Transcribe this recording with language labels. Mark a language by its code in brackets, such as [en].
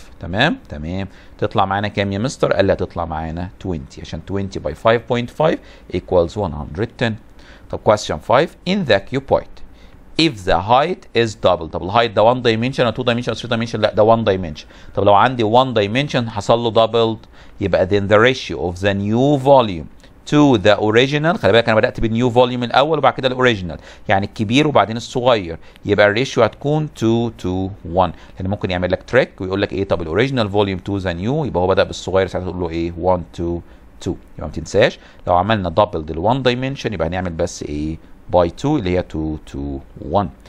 [ar] تمام تطلع معانا كام يا مستر؟ قال لها تطلع معانا 20، عشان 20 باي 5.5 ايكوالز 110. طب [en] question 5 in the cuboid if the height is double. [ar] طب الهايت ده 1 dimension او 2 dimension او 3 dimension؟ لا ده 1 dimension. طب لو عندي [en] 1 dimension [ar] حصل له [en] doubled، [ar] يبقى [en] then the ratio of the new volume to the original. [ar] خلي بالك انا بدات بالنيو فوليوم الاول وبعد كده الاوريجينال، يعني الكبير وبعدين الصغير، يبقى الريشيو هتكون 2 to 1. لان ممكن يعمل لك تريك ويقول لك ايه، طب الاوريجينال فوليوم تو ذا نيو، يبقى هو بدا بالصغير ساعتها تقول له ايه 1 to 2. يبقى ما تنساش لو عملنا دبل ال1 دايمنشن يبقى هنعمل بس ايه باي 2 اللي هي 2 to 1.